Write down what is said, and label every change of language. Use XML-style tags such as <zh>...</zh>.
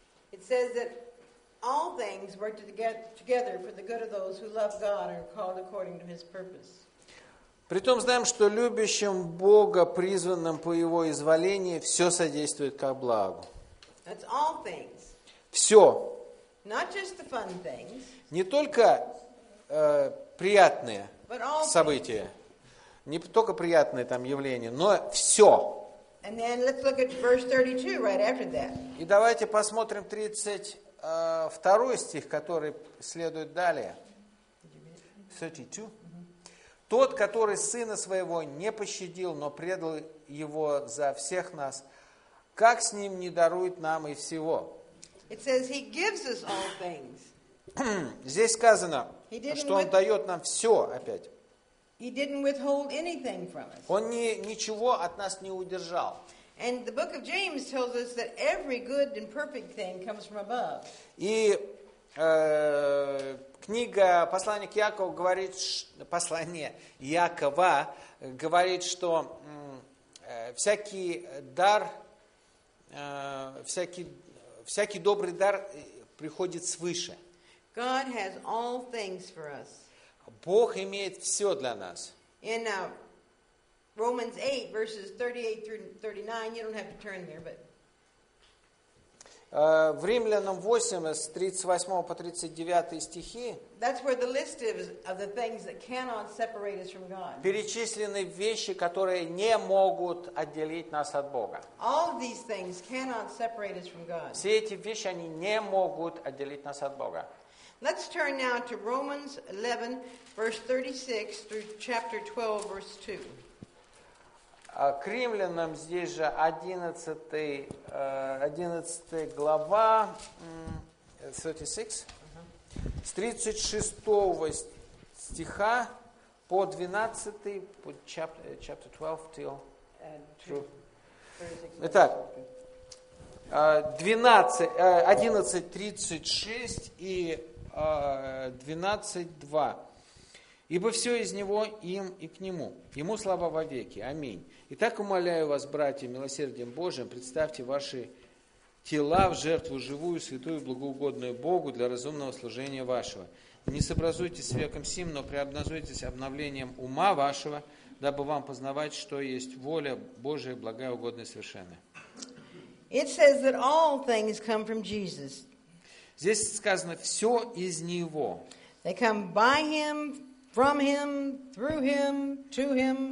<en>It says that all things work together for the good of those who love God and are called according to his purpose.</en> <ru>Притом знаем, что любящим Бога, призванным по Его изволению, все содействует ко благу.</ru> <en>That's all things.</en> <ru>Все.</ru> <en>Not just the fun things.</en> <ru>Не только приятные события, не только приятные там явления, но все.</ru> <en>And then let's look at verse 32 right after that.</en> <ru>И давайте посмотрим 32 стих, который следует далее.</ru> <en>32.</en> <ru>Тот, который Сына Своего не пощадил, но предал Его за всех нас, как с Ним не дарует нам и всего?</ru> <en>It says he gives us all things.</en> <ru>Здесь сказано, что Он дает нам все опять.</ru> <en>He didn't withhold anything from us.</en> <ru>Он ничего от нас не удержал.</ru> <en>And the book of James tells us that every good and perfect thing comes from above.</en> <ru>И книга «Послание к Якову» говорит, «Послание Якова» говорит, что всякий добрый дар приходит свыше.</ru> <en>God has all things for us.</en> <ru>Бог имеет все для нас.</ru> <en>In Romans 8, verses 38 through 39, you don't have to turn there, but</en> <ru>в Римлянам 8, с 38 по 39 стихи</ru> <en>That's where the list of the things that cannot separate us from God.</en> <ru>Перечислены вещи, которые не могут отделить нас от Бога.</ru> <en>All of these things cannot separate us from God.</en> <ru>Все эти вещи, они не могут отделить нас от Бога.</ru> <en>Let's turn now to Romans 11, verse 36, through chapter 12, verse 2.</en> <ru>К римлянам здесь же 11 глава, 36, с 36 стиха по 12, по</ru> <en>chapter 12, till</en> <ru>36. Итак, 12, 11, 36 и 12, 2. Ибо все из Него им и к Нему. Ему слава вовеки. Аминь. Итак, умоляю вас, братья, милосердием Божиим, представьте ваши тела в жертву живую, святую, благоугодную Богу для разумного служения вашего. Не сообразуйтесь с веком сим, но преобразуйтесь обновлением ума вашего, дабы вам познавать, что есть воля Божия, благая, угодная и совершенная.</ru> <en>It says that all things come from Jesus.</en> <ru>Здесь сказано, все из Него.</ru> <en>They come by Him, from Him, through Him, to Him.</en>